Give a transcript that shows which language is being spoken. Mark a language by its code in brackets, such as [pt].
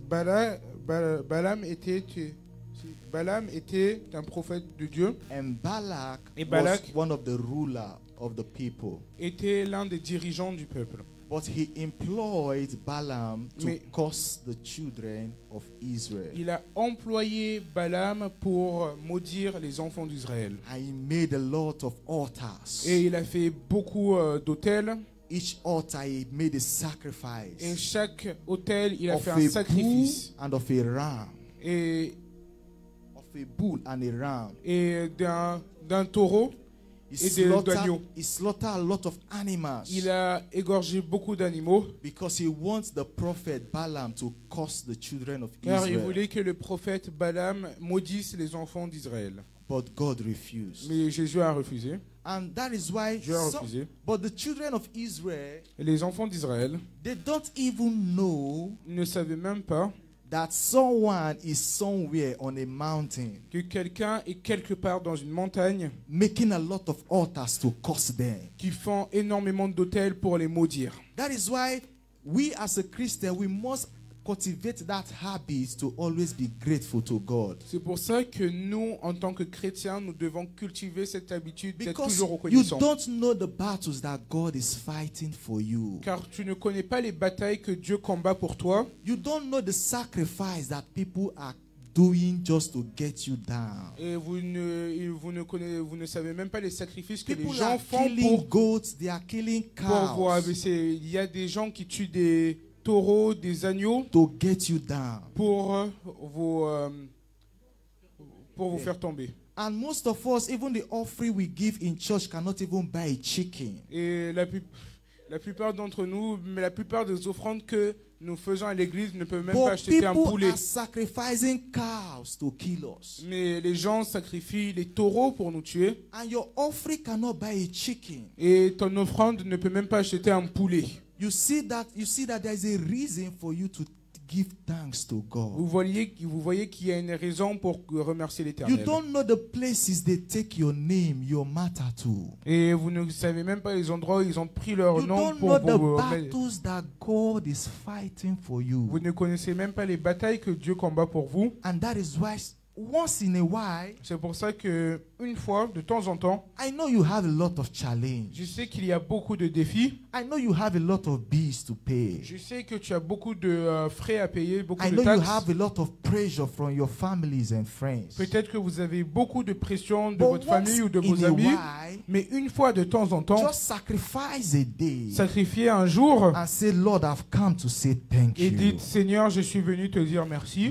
[fr] Balaam était un prophète de Dieu. [en] And Balak, et Balak was one of the rulers of the people. [fr] Était l'un des dirigeants du peuple. [en] But he employed Balaam to curse the children of Israel. [fr] Il a employé Balaam pour maudire les enfants d'Israël. [en] And he made a lot of altars. [fr] Et il a fait beaucoup d'autels. [en] Each altar he made a sacrifice. [fr] Et chaque autel, il a fait un sacrifice. [en] Of a bull and of a ram. [fr] Et [en] of a bull and a ram. [fr] Et d'un taureau. [en] He slaughtered a lot of animals. [fr] Il a égorgé beaucoup d'animaux. [en] Because he wants the prophet Balaam to curse the children of Israel. [fr] Car il voulait que le prophète Balaam maudisse les enfants d'Israël. [en] But God refused. [fr] Mais Jésus a refusé. [en] And that is why. [fr] Dieu a refusé. [en] But the children of Israel. [fr] Et les enfants d'Israël. [en] They don't even know. [fr] Ne savaient même pas. [en] That someone is somewhere on a mountain. [fr] Que quelqu'un est quelque part dans une montagne. [en] Making a lot of altars to curse them. [fr] Qui font énormément d'autels pour les maudire. [en] That is why we as a Christian we must cultivate that habit to always be grateful to God. [fr] C'est pour ça que nous en tant que chrétiens nous devons cultiver cette habitude d'être toujours reconnaissant. [en] You don't know the battles that God is fighting for you. [fr] Car tu ne connais pas les batailles que Dieu combat pour toi. [en] You don't know the sacrifice that people are doing just to get you down. [fr] Et vous ne savez même pas les sacrifices que les gens font pour [en] goats, they are killing cows. [fr] Il y a des gens qui tuent des taureaux, des agneaux, [en] to get you down. [fr] pour vous faire tomber. [en] And most of us, even the offering we give in church, cannot even buy a chicken. [fr] Et la plupart d'entre nous, mais la plupart des offrandes que nous faisons à l'église ne peuvent même [en] but [fr] pas acheter un poulet. [en] Are sacrificing cows to kill us. [fr] Mais les gens sacrifient les taureaux pour nous tuer. [en] And your offering cannot buy a chicken. [fr] Et ton offrande ne peut même pas acheter un poulet. [en] You see that there is a reason for you to give thanks to God. [fr] Vous voyez qu'il y a une raison pour remercier l'Éternel. [en] You don't know the places they take your name, your matter to. [fr] Et vous ne savez même pas les endroits où ils ont pris leur nom pour vous. [en] You don't know the battles that God is fighting for you. [fr] Vous ne connaissez même pas les batailles que Dieu combat pour vous. [en] And that is why once in a while. [fr] C'est pour ça que une fois de temps en temps. [en] I know you have a lot of challenge. [fr] Je sais qu'il y a beaucoup de défis. [en] I know you have a lot of bills to pay. [fr] Je sais que tu as beaucoup de frais à payer, beaucoup [en] I [fr] de [en] know [fr] taxes. [en] You have a lot of pressure from your families and friends. [fr] Peut-être que vous avez beaucoup de pression de [en] but [fr] votre famille ou de vos amis. [en] While, [fr] mais une fois de temps en temps. [en] Just sacrifice a day. [fr] Sacrifier un jour. [en] And say, Lord, I've come to say thank [fr] et dites, Seigneur, je suis venu te dire merci.